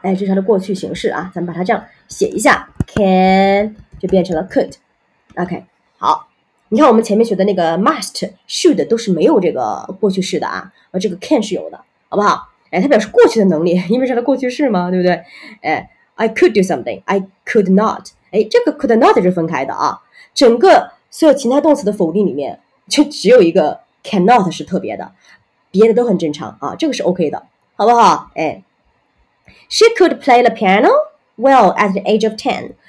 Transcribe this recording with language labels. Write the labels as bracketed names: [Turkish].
[Chinese] 哎，这是它的过去形式啊，咱们把它这样写一下 ，can 就变成了 could。OK， 好。你看我们前面学的那个 must should 都是没有这个过去式的啊，而这个 can 是有的，好不好？哎，它表示过去的能力，因为是它过去式嘛，对不对？ [English] 哎 ，I could do something, I could not。 [Chinese] 哎，这个 could not 是分开的啊。整个所有情态动词的否定里面，就只有一个 cannot 是特别的，别的都很正常啊，这个是 OK 的，好不好？ [English] 哎 ，She could play the piano well at the age of 10.